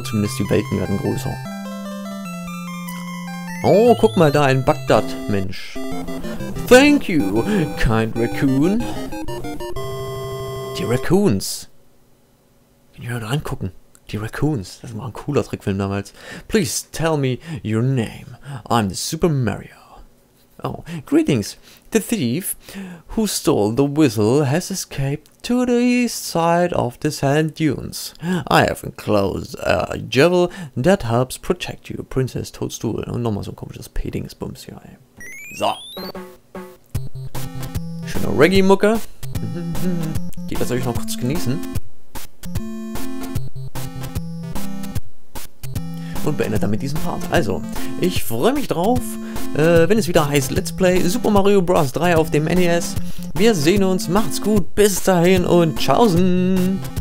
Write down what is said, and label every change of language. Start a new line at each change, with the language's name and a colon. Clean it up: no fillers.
German: Zumindest die Welten werden größer. Oh, guck mal da, ein Bagdad-Mensch.
English: Thank you, kind Raccoon.
German: Die Raccoons. Kann ich mir mal angucken. Die Raccoons, das war ein cooler Trickfilm damals.
English: Please tell me your name. I'm the Super Mario. Oh, greetings. The thief who stole the whistle has escaped to the east side of the sand dunes. I have enclosed a jewel that helps protect you, Princess Toadstool.
German: Und nochmal so ein komisches P-Dingsbums hier, ey. So. Schöne Reggae-Mucke. Geht das euch noch kurz genießen? Und beende damit diesen Part. Also, ich freue mich drauf, wenn es wieder heißt Let's Play Super Mario Bros. 3 auf dem NES. Wir sehen uns, macht's gut, bis dahin und tschaußen!